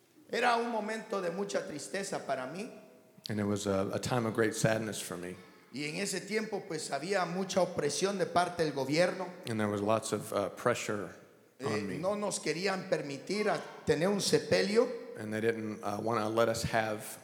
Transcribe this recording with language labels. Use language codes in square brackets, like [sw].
[es] Era un momento de mucha tristeza para mí. [en] And it was a time of great sadness for me. [es] Y en ese tiempo, pues había mucha opresión de parte del gobierno. [en] And there was lots of pressure on me. [es] No nos querían permitir tener un sepelio. [en] And they didn't want to let us have